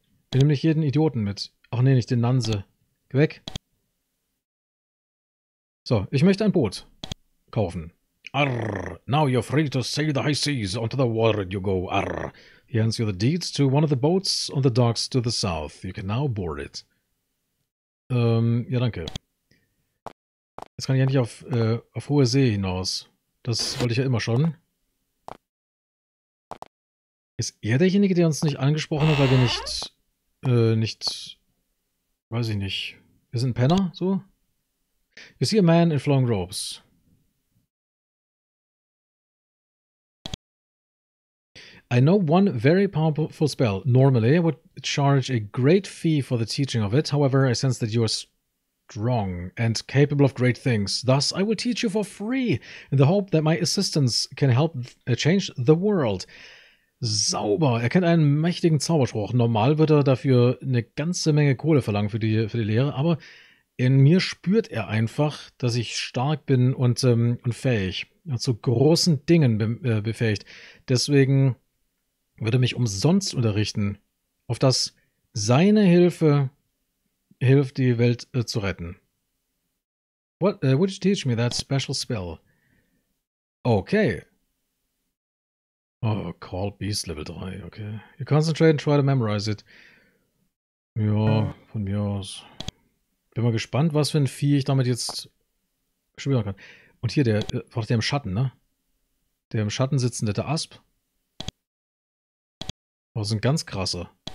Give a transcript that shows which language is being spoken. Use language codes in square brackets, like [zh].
[de] Wir nehmen nicht jeden Idioten mit. Ach nee, nicht den Nanse. Geh weg. So, ich möchte ein Boot kaufen. [en] Arr, now you're free to sail the high seas. Onto the water you go. Arr. He hands you the deeds to one of the boats on the docks to the south. You can now board it. [de] Ja, danke. Jetzt kann ich endlich auf hohe See hinaus. Das wollte ich ja immer schon. Ist er derjenige, der uns nicht angesprochen hat, weil wir nicht, weiß ich nicht. Wir sind Penner, so? [en] You see a man in flowing robes. I know one very powerful spell. Normally I would charge a great fee for the teaching of it. However, I sense that you are strong and capable of great things. Thus, I will teach you for free in the hope that my assistance can help change the world. [de] Sauber! Er kennt einen mächtigen Zauberspruch. Normal würde er dafür eine ganze Menge Kohle verlangen für die Lehre, aber In mir spürt er einfach, dass ich stark bin und fähig, ja, zu großen Dingen befähigt. Deswegen wird er mich umsonst unterrichten, auf dass seine Hilfe hilft, die Welt zu retten. [en] What would you teach me that special spell? Okay. Oh, Call Beast Level 3, okay. You concentrate and try to memorize it. [de] Ja, von mir aus. Bin mal gespannt, was für ein Vieh ich damit jetzt spielen kann. Und hier der im Schatten, ne? Der im Schatten sitzende, der Asp. Das ist ein ganz krasser.